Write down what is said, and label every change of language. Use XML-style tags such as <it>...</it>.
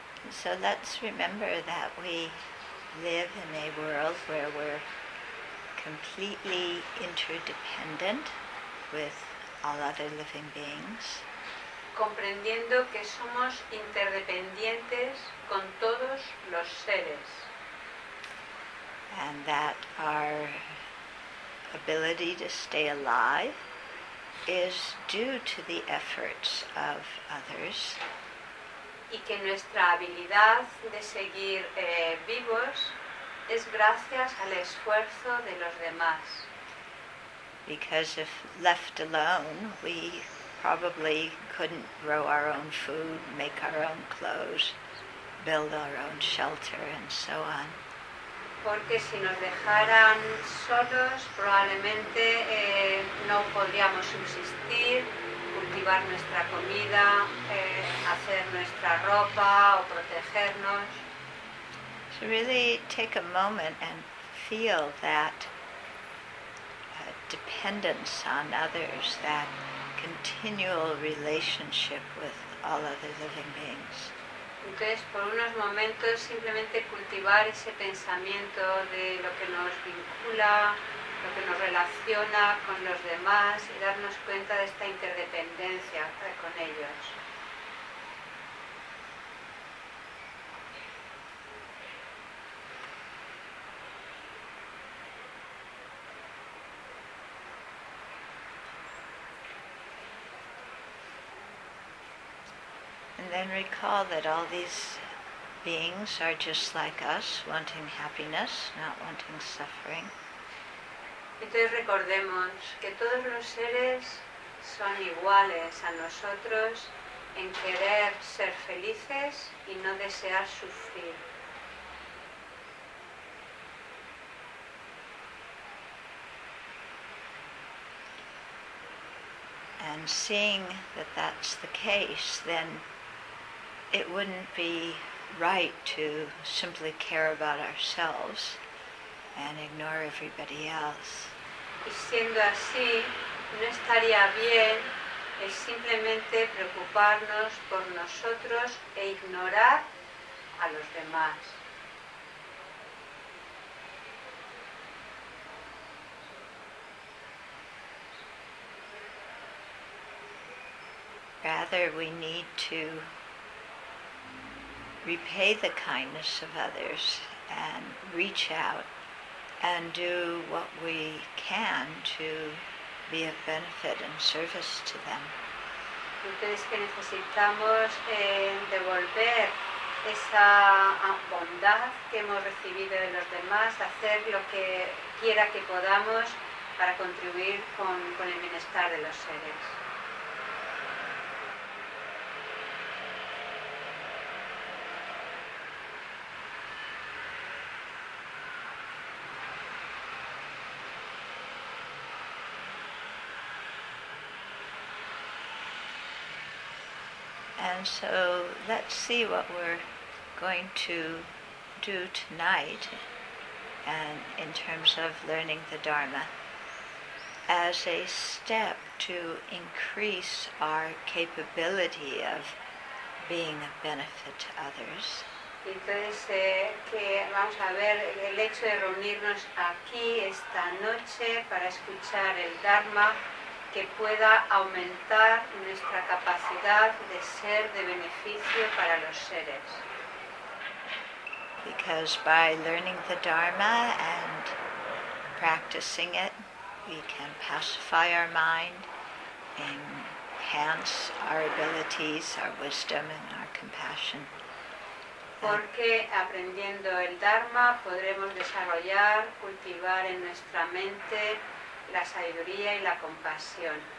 <en>So let's remember that we live in a world where we're completely interdependent with all other living beings.</en> <es>Comprendiendo que somos interdependientes con todos los seres.</es> <en>And that our ability to stay alive is due to the efforts of others.</en> <es>Y que nuestra habilidad de seguir vivos es gracias al esfuerzo de los demás.</es> <en>Because if left alone, we probably couldn't grow our own food, make our own clothes, build our own shelter, and so on.</en> <es>Porque si nos dejaran solos, probablemente no podríamos subsistir, cultivar nuestra comida, hacer nuestra ropa o protegernos.</es> <en>So really take a moment and feel that dependence on others, that continual relationship with all other living beings.</en> <es>Entonces, por unos momentos, simplemente cultivar ese pensamiento de lo que nos vincula, lo que nos relaciona con los demás, y darnos cuenta de esta interdependencia con ellos.</es> <en>And then recall that all these beings are just like us, wanting happiness, not wanting suffering.</en> <es>Entonces recordemos que todos los seres son iguales a nosotros en querer ser felices y no desear sufrir.</es> <en>And seeing that that's the case, then it wouldn't be right to simply care about ourselves and ignore everybody else.</en> <es>Y siendo así, no estaría bien el simplemente preocuparnos por nosotros e ignorar a los demás.</es> <en>Rather, we need to repay the kindness of others and reach out and do what we can to be of benefit and service to them.</en> <es>Entonces que necesitamos devolver esa bondad que hemos recibido de los demás, hacer lo que quiera que podamos para contribuir con el bienestar de los seres.</es> <en>And so let's see what we're going to do tonight, and in terms of learning the Dharma, as a step to increase our capability of being a benefit to others.</en> <es>Entonces, que vamos a ver el hecho de reunirnos aquí esta noche para escuchar el Dharma, que pueda aumentar nuestra capacidad de ser de beneficio para los seres.</es> <en>Because by learning the Dharma and practicing it, we can pacify our mind, enhance our abilities, our wisdom, and our compassion.</en> <es>Porque aprendiendo el Dharma podremos desarrollar, cultivar en nuestra mente la sabiduría y la compasión.</es>